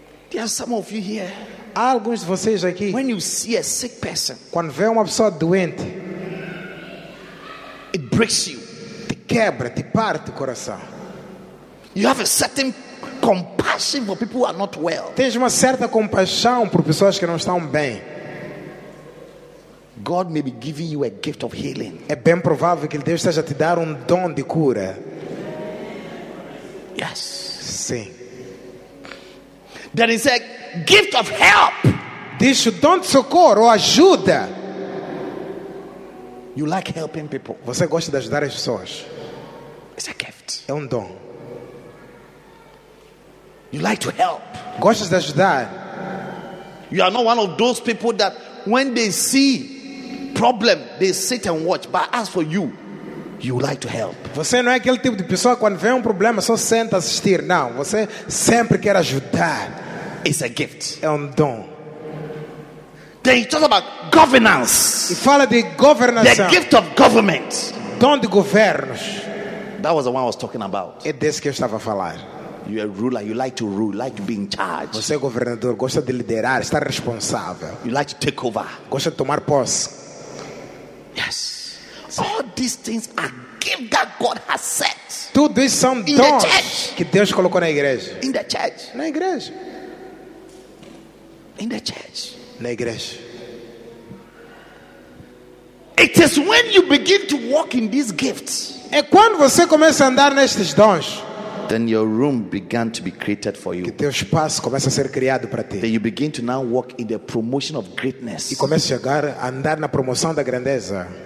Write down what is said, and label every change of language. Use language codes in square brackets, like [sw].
[en] There are some of you here. [pt] Há alguns de vocês aqui. [en] When you see a sick person, [pt] quando vê uma pessoa doente, [en] it breaks you. [pt] Te quebra, te parte o coração. [en] You have a certain compassion for people who are not well. [pt] Tens uma certa compaixão por pessoas que não estão bem. [en] God may be giving you a gift of healing. [pt] É bem provável que Deus esteja a te dar dom de cura. [en] Yes. [pt] Sim. [en] Then it's a gift of help. [pt] Diz o dom de socorro ou ajuda. [en] You like helping people. [pt] Você gosta de ajudar as pessoas. [en] It's a gift. [pt] É dom. [en] You like to help. [pt] Gostas de ajudar. [en] You are not one of those people that when they see problem, they sit and watch. But as for you, you like to help. [pt] Você não é aquele tipo de pessoa quando vem problema só senta assistir. Não, você sempre quer ajudar. [en] It's a gift. [pt] É dom. [en] Then he talks about governance. [pt] E fala de governança. [en] The gift of government. [pt] Dom de governo. [en] That was the one I was talking about. [pt] É desse que eu estava a falar. [en] You are a ruler. You like to rule. Like to be in charge. [pt] Você é governador. Gosta de liderar. Está responsável. [en] You like to take over. [pt] Gosta de tomar posse. [en] Yes. All these things are gifts that God has set. [pt] Tudo isso são dons que Deus colocou na igreja. [en] In the church. [pt] Na igreja. [en] In the church. [pt] Na igreja. A [en] It is when you begin to walk in these gifts. [pt] É quando você começa a andar nestes dons. [en] Then your room began to be created for you. [pt] Que teu espaço começa a ser criado para ti. [en] Then you begin to now walk in the promotion of greatness. [pt] E começa a chegar a andar na promoção da grandeza.